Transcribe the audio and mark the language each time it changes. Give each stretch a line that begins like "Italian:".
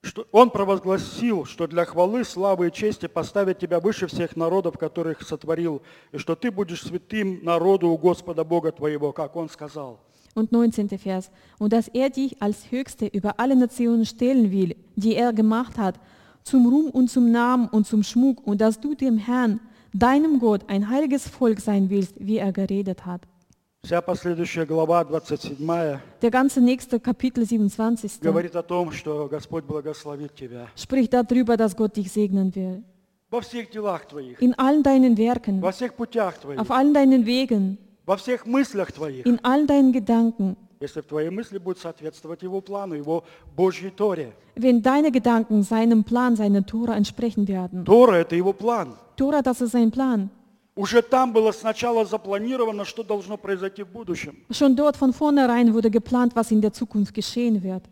Russian: Он провозгласил, что для хвалы, славы и чести поставит тебя выше всех народов, которых сотворил, и что ты будешь святым народу у Господа Бога твоего, как он сказал.
German: Und 19. Vers. Und dass er dich als Höchste über alle Nationen stellen will, die er gemacht hat, zum Ruhm und zum Namen und zum Schmuck, und dass du dem Herrn, deinem Gott, ein heiliges Volk sein willst, wie er geredet hat.
Russian: Вся последующая глава, 27,
German: der ganze nächste Kapitel 27,
Russian: говорит о том, что Господь благословит тебя.
German: Spricht darüber, dass Gott dich segnen will.
Russian: Во всех делах твоих.
German: In allen deinen Werken.
Russian: Во всех путях твоих.
German: Auf allen deinen Wegen.
Russian: Во всех мыслях твоих.
German: In all deinen Gedanken.
Russian: Если твои мысли будут соответствовать его плану, его Божьей Торе.
German: Wenn deine Gedanken seinem Plan, seiner Tora entsprechen werden.
Russian: Тора – это его план.
German: Tora, das ist sein Plan.
Russian: Уже там было сначала запланировано, что должно произойти в будущем.
German: Schon dort von vornherein wurde geplant, was in der Zukunft geschehen wird.